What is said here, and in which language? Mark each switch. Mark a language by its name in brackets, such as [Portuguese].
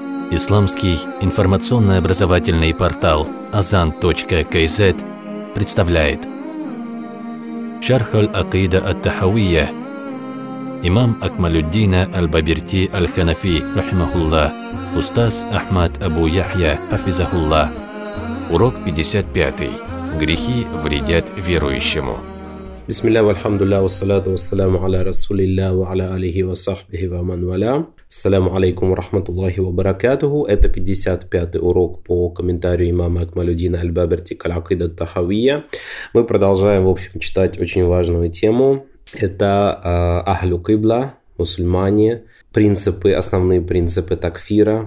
[Russian] Исламский информационно-образовательный портал azan.kz представляет Шархаль Акида ат-Тахавия. Имам Акмалюддина аль-Бабирти аль-Ханафи рахимахулла. Устаз Ахмад Абу Яхья хафизахулла. Урок 55. Грехи вредят верующему. [Arabic] بسم الله والحمد لله والصلاة والسلام على رسول الله وعلى آله وصحبه ومن والاه. السلام عليكم ورحمة الله وبركاته. [Russian] Это 55-й урок по комментарию имама Акмалюддина аль-Баберти «Аль-Акида ат-Тахавия». Мы продолжаем, в общем, читать очень важную тему. Это Ахлю Кибла, мусульмане, принципы, основные принципы такфира.